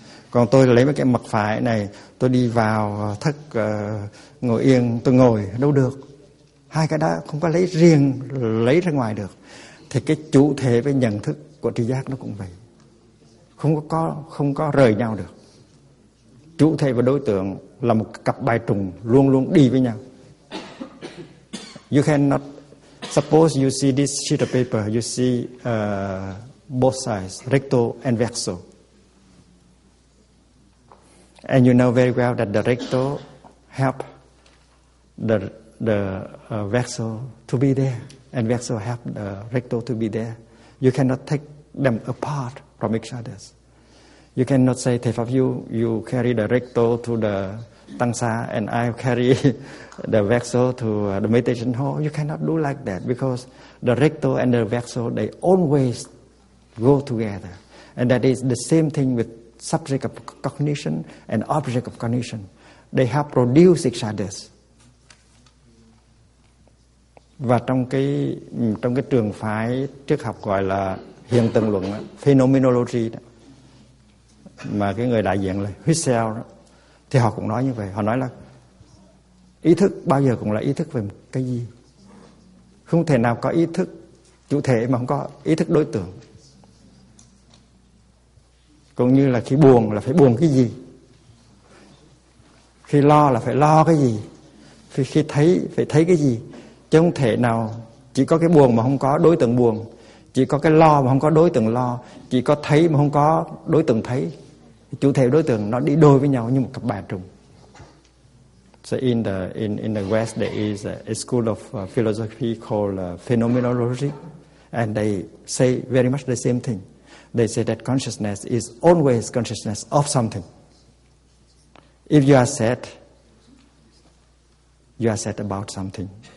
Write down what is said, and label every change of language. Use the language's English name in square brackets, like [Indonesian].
[Vietnamese] Còn tôi lấy cái mặt phải này, tôi đi vào thất ngồi yên, tôi ngồi đâu được. Hai cái đó không có lấy riêng, lấy ra ngoài được. Thì cái chủ thể với nhận thức của tri giác nó cũng vậy. Không có rời nhau được. Chủ thể và đối tượng là một cặp bài trùng, luôn luôn đi với nhau. [English] You cannot, suppose you see this sheet of paper, you see both sides, recto and verso. And you know very well that the recto help the verso to be there, and verso have the recto to be there. You cannot take them apart from each other. You cannot say, Thầy Pháp Dung, you carry the recto to the tăng xá, and I carry the vessel to the meditation hall. You cannot do like that because the recto and the vessel, they always go together. And that is the same thing with subject of cognition and object of cognition. They have produced each other. [Vietnamese] Và trong cái trường phái triết học gọi là hiện tượng luận, phenomenology đó, mà cái người đại diện là Husserl đó, thì họ cũng nói như vậy. Họ nói là ý thức bao giờ cũng là ý thức về một cái gì. Không thể nào có ý thức chủ thể mà không có ý thức đối tượng. Cũng như là khi buồn là phải buồn cái gì. Khi lo là phải lo cái gì. Khi thấy, phải thấy cái gì. Chứ không thể nào chỉ có cái buồn mà không có đối tượng buồn. Chỉ có cái lo mà không có đối tượng lo. Chỉ có thấy mà không có đối tượng thấy. Chủ thể đối tượng nó đi đôi với nhau như một cặp bà trùng. [English] So in the West there is a school of philosophy called phenomenology. And they say very much the same thing. They say that consciousness is always consciousness of something. If you are sad, you are sad about something.